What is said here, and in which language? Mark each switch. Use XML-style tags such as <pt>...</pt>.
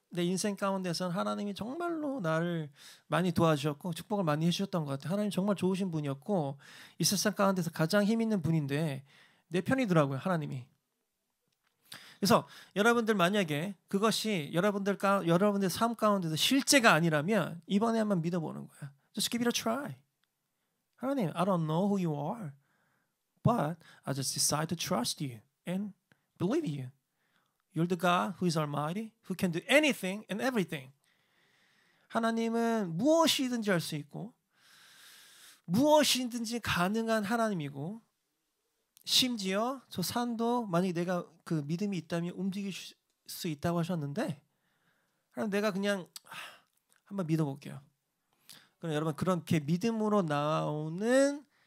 <ko>내 인생 가운데서는 하나님이 정말로 나를 많이 도와주셨고 축복을 많이 해주셨던 것 같아요. 하나님 정말 좋으신 분이었고 이 세상 가운데서 가장 힘있는 분인데 내 편이더라고요. 하나님이. 그래서 여러분들 만약에 그것이 여러분들 삶 가운데서 실제가 아니라면 이번에 한번 믿어보는 거야.</ko> <en>Just give it a try. 하나님, I don't know who you are, but I just decide to trust you and believe you. You're the God who is almighty, who can do anything and everything.</en> <ko>하나님은 무엇이든지 할 수 있고 무엇이든지 가능한 하나님이고 심지어 저 산도 만약에 내가 그 믿음이 있다면 움직일 수 있다고 하셨는데 그럼 내가 그냥 한번 믿어볼게요. 그럼 여러분 그렇게 믿음으로 나오는</ko>